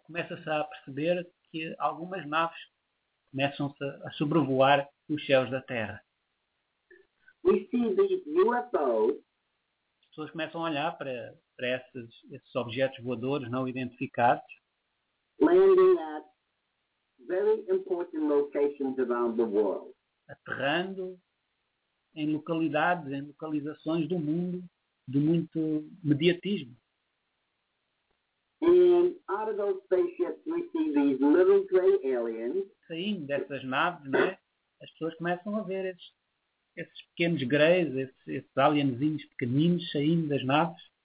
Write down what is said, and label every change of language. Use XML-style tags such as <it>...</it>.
<pt>começa-se a perceber que algumas naves começam-se a sobrevoar os céus da Terra.</pt> <en>We see these UFOs.</en> <pt>As pessoas começam a olhar para esses objetos voadores não identificados.</pt> <en>Landing at very important locations around the world.</en> <pt>Aterrando em localidades, em localizações do mundo de muito mediatismo.</pt> <en>And out of those spaceships we see these little gray aliens.</en> <pt>Saindo dessas naves, né, as pessoas começam a ver esses pequenos greys, esses alienzinhos pequeninos saindo das naves.</pt>